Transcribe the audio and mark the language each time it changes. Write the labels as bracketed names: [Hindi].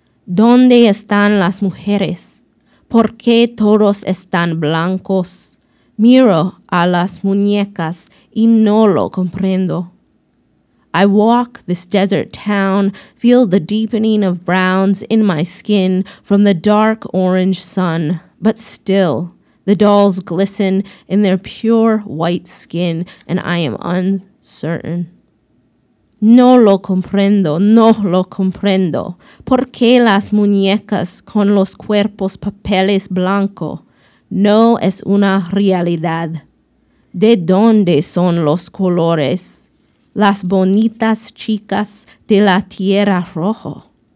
[Spanish] ¿Dónde están las mujeres? ¿Por qué todos están blancos? Miro a las muñecas y no lo comprendo. [English] I walk this desert town, feel the deepening of browns in my skin from the dark orange sun. But still, the dolls glisten in their pure white skin, and I am uncertain. [Spanish] No lo comprendo, no lo comprendo. ¿Por qué las muñecas con los cuerpos papeles blanco? No es una realidad. ¿De dónde son los colores? Las bonitas chicas de la tierra rojo.